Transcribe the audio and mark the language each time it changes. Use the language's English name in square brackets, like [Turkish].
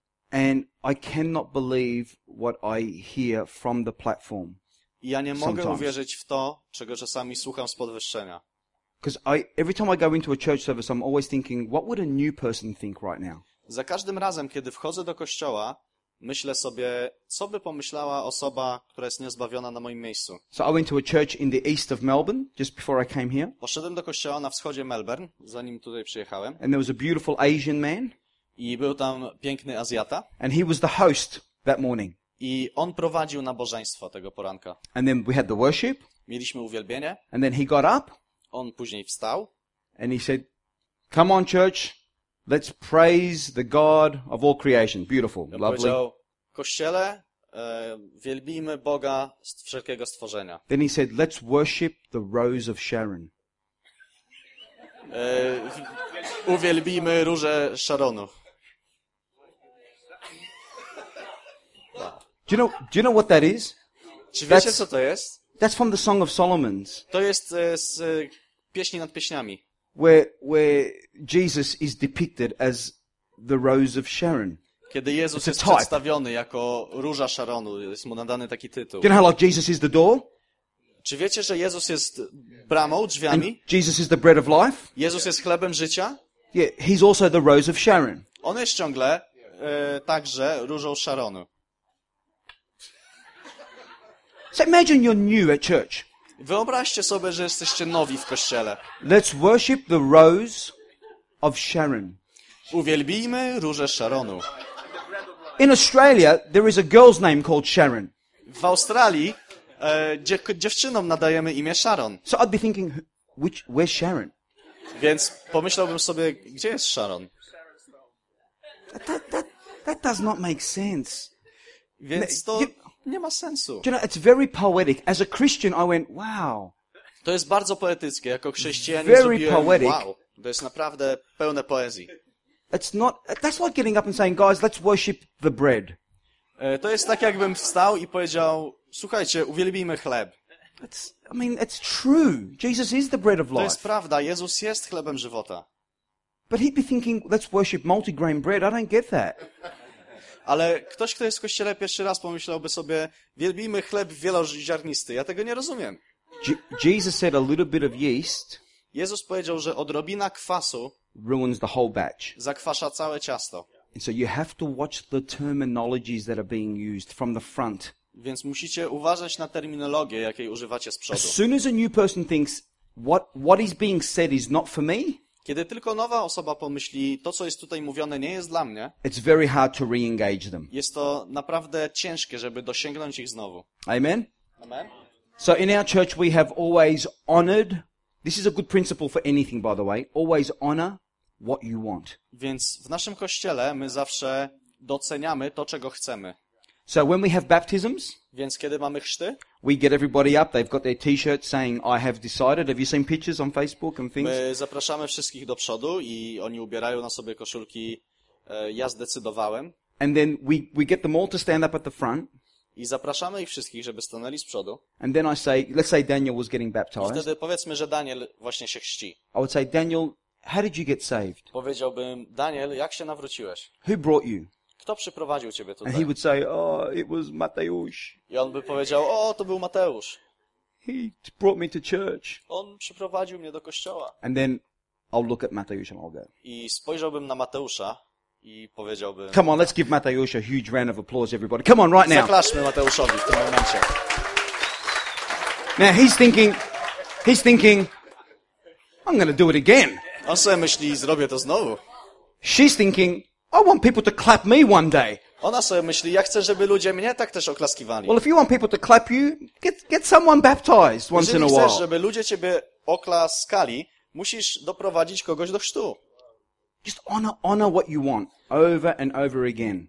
[English] And I cannot believe what I hear from the platform. [Polish] Ja nie mogę uwierzyć w to, czego czasami słucham z podwyższenia. [English] Because every time I go into a church service, I'm always thinking, what would a new person think right now? [Polish] Za każdym razem, kiedy wchodzę do kościoła, myślę sobie, co by pomyślała osoba, która jest niezbawiona na moim miejscu. [English] So I went to a church in the east of Melbourne just before I came here. [Polish] Poszedłem do kościoła na wschodzie Melbourne, zanim tutaj przyjechałem. [English] And there was a beautiful Asian man. [Polish] I był tam piękny Azjata. [English] And he was the host that morning. [Polish] I on prowadził nabożeństwo tego poranka. [English] And then we had the worship. [Polish] Mieliśmy uwielbienie. [English] And then he got up. [Polish] On później wstał. [English] And he said, come on church, let's praise the God of all creation. Beautiful, [Polish] ja [English] lovely. [Polish] Kościele, wielbimy Boga z wszelkiego stworzenia. [English] Then he said, let's worship the Rose of Sharon. [Polish] Uwielbimy róże Sharonu. [English] Do you know what that is? [Polish] Czy wiecie, co to jest? [English] That's from the Song of Solomon's. [Polish] To jest z Pieśni nad Pieśniami. [English] Where Jesus is depicted as the Rose of Sharon. [Polish] Kiedy Jezus jest przedstawiony jako róża Sharonu, jest mu nadany taki tytuł. [English] Do you know how like Jesus is the door? [Polish] Czy wiecie, że Jezus jest bramą, drzwiami? [English] And Jesus is the bread of life? [Polish] Jezus jest chlebem życia? [English] Yeah, he's also the Rose of Sharon. [Polish] On jest ciągle także różą Sharonu. [English] So imagine you're new at church. [Polish] Wyobraźcie sobie, że jesteście nowi w kościele. [English] Let's worship the Rose of Sharon. [Polish] Uwielbijmy różę Sharonu. [English] In Australia there is a girl's name called Sharon. [Polish] W Australii dziewczynom nadajemy imię Sharon. [English] So I'd be thinking, where's Sharon? [Polish] Więc pomyślałbym sobie, gdzie jest Sharon? [English] That does not make sense. [Polish] Więc to nie ma sensu. [English] You know, it's very poetic. As a Christian, I went, wow. [Polish] To jest bardzo poetyckie. Jako chrześcijanin zrobiłem, poetic. Wow. To jest naprawdę pełne poezji. [English] That's like getting up and saying, guys, let's worship the bread. [Polish] To jest tak, jakbym wstał i powiedział, słuchajcie, uwielbijmy chleb. [English] It's true. Jesus is the bread of life. [Polish] To jest prawda. Jezus jest chlebem żywota. [English] But he'd be thinking, let's worship multigrain bread. I don't get that. [Polish] Ale ktoś, kto jest w kościele pierwszy raz, pomyślałby sobie, wielbimy chleb wieloziarnisty. Ja tego nie rozumiem. [English] Jesus said a little bit of yeast. [Polish] Jezus powiedział, że odrobina kwasu [English] ruins the whole batch. [Polish] Zakwasza całe ciasto. [English] And so you have to watch the terminologies that are being used from the front. [Polish] Więc musicie uważać na terminologię, jakiej używacie z przodu. [English] As soon as a new person thinks what is being said is not for me. [Polish] Kiedy tylko nowa osoba pomyśli, to co jest tutaj mówione nie jest dla mnie. [English] It's very hard to re-engage them. [Polish] Jest to naprawdę ciężkie, żeby dosięgnąć ich znowu. [English] Amen. [Polish] Amen. [English] So in our church we have always honored This is a good principle for anything, by the way. Always honor what you want. [Polish] Więc w naszym kościele my zawsze doceniamy to, czego chcemy. [English] So when we have baptisms, [Polish] więc kiedy mamy chrzty, [English] we get everybody up. They've got their t-shirt saying, "I have decided." Have you seen pictures on Facebook and things? [Polish] My zapraszamy wszystkich do przodu i oni ubierają na sobie koszulki. Ja zdecydowałem. [English] And then we get them all to stand up at the front. [Polish] I zapraszamy ich wszystkich, żeby stanęli z przodu. [English] And then I say, let's say Daniel was getting baptized. [Polish] I wtedy powiedzmy, że Daniel właśnie się chrzci. [English] I would say, Daniel, how did you get saved? [Polish] Powiedziałbym, Daniel, jak się nawróciłeś? [English] Who brought you? [Polish] Kto przyprowadził ciebie tutaj? [English] And he would say, oh, it was Mateusz. [Polish] I on by powiedział, o, to był Mateusz. [English] He brought me to church. [Polish] On przyprowadził mnie do kościoła. [English] And then I'll look at Mateusz and I'll go. [Polish] I spojrzałbym na Mateusza. I powiedziałbym... [English] Come on, let's give Mateusz a huge round of applause, everybody. Come on, right now. [Polish] Zaklaszmy Mateuszowi w tym momencie. [English] Now, he's thinking, I'm going to do it again. [Polish] On sobie myśli, zrobię to znowu. [English] She's thinking, I want people to clap me one day. [Polish] Ona sobie myśli, ja chcę, żeby ludzie mnie tak też oklaskiwali. [English] Well, if you want people to clap you, get someone baptized once [Polish] Jeżeli [English] in a while. [Polish] Chcesz, żeby ludzie ciebie oklaskali, musisz doprowadzić kogoś do chrztu. [English] Just honor what you want over and over again.